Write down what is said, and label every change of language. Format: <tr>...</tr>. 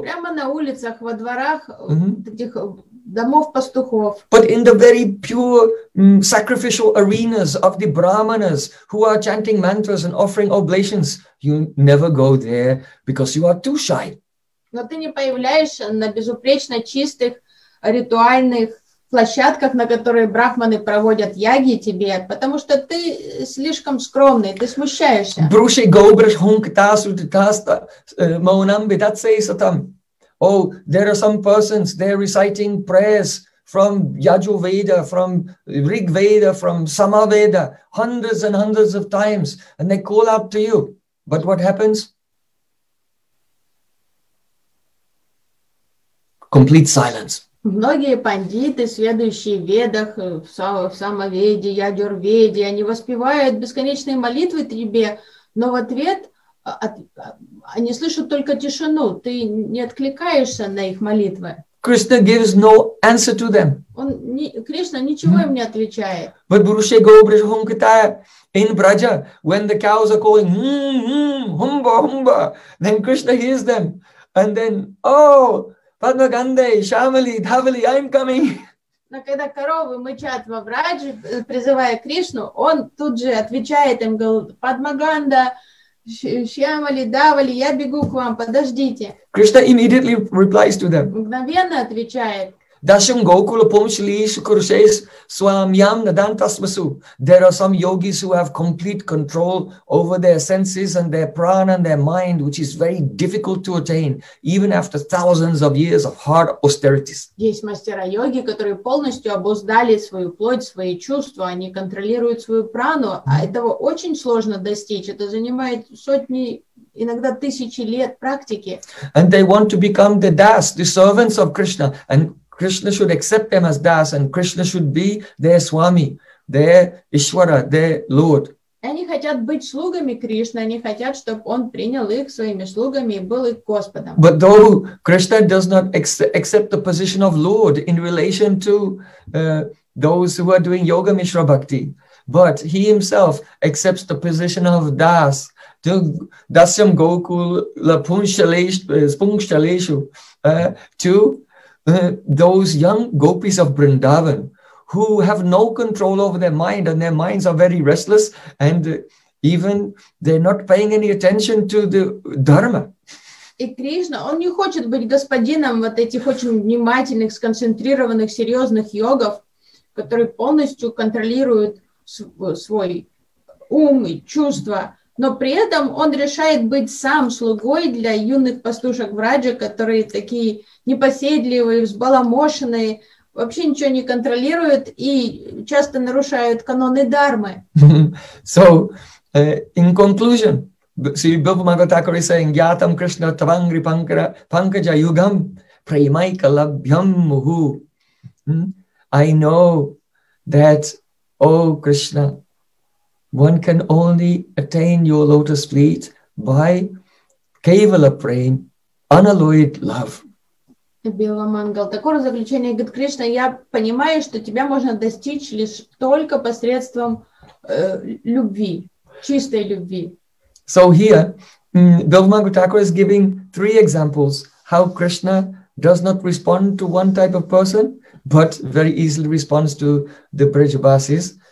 <ru>Прямо на улицах, во дворах этих домов пастухов.</ru> <en>But in the very pure sacrificial arenas of the brahmanas who are chanting mantras and offering oblations, you never go there because you are too shy.</en> <ru>Но ты не появляешься на безупречно чистых ритуальных площадках, на которые брахманы проводят яги тебе, потому что ты слишком скромный, ты смущаешься.</ru> <sa>Бруши гобриш хунктасу таста маунам бидатсей сатам.</sa> <en>Oh, there are some persons, they're reciting prayers from Yajurveda, from Rig Veda, from Samaveda, hundreds and hundreds of times, and they call out to you. But what happens? Complete silence.</en> <ru>Многие пандиты, следующие в ведах, в самоведе, ядюрведе, они воспевают бесконечные молитвы тебе, но в ответ они слышат только тишину, ты не откликаешься на их молитвы.</ru> <en>Krishna gives no answer to them.</en> <ru>Он не, Кришна ничего им не отвечает.</ru> <en>But</en> <sa>Burushe Gobrish Humkataya</sa> <en>in Braja, when the cows are calling, humba, humba, then Krishna hears them. And then, oh, Padma Gande, Shamali, Dhavali, I'm coming.</en> <ru>Но когда коровы мычат во Враджи, призывая Кришну, он тут же отвечает им, говорит, Падма Ганда, Шьямали, Давали, я бегу к вам, подождите.</ru> <en>Krishna immediately replies to them.</en> <ru>Мгновенно отвечает.</ru> <sa>Дашим Гокула помшлиш курсес свамьям надантасмасу.</sa> <en>There are some yogis who have complete control over their senses and their prana and their mind, which is very difficult to attain, even after thousands of years of hard austerities.</en> <ru>Есть мастера йоги, которые полностью обуздали свою плоть, свои чувства, они контролируют свою прану, а этого очень сложно достичь. Это занимает сотни, иногда тысячи лет практики.</ru> <en>And they want to become the das, the servants of Krishna, and Krishna should accept them as das, and Krishna should be their swami, their Ishwara, their lord.</en> <ru>Они хотят быть слугами Кришны, они хотят, чтобы он принял их своими слугами и был их господом.</ru> <en>But though Krishna does not accept the position of lord in relation to those who are doing yoga mishra bhakti, but he himself accepts the position of das.</en> <sa>Dasyam gokul la punshaleshu</sa> <en>to those young gopis of Vrindavan who have no control over their mind and their minds are very restless and even they're not paying any attention to the dharma.</en> <ru>И Кришна, он не хочет быть господином вот этих очень внимательных, сконцентрированных, серьезных йогов, которые полностью контролируют свой ум и чувства. Но при этом он решает быть сам слугой для юных пастушек Враджа, которые такие непоседливые, взбаламошенные, вообще ничего не контролируют и часто нарушают каноны дармы.</ru> <en>So, in conclusion, Sri Bhupa Magatakari saying,</en> <sa>Yatam Krishna Tavangri Pankaja Yugam Premaika Labhyam Muhu.</sa> <en>I know that, oh Krishna, one can only attain your lotus feet by kevala prem, unalloyed love.</en> <ru>Биламангал, такое заключение, говорит Кришна, я понимаю, что тебя можно достичь лишь только посредством любви, чистой любви.</ru> <en>So here, Бхагавад Гита is giving three examples how Krishna does not respond to one type of person, but very easily responds to the Brajavasis.</en>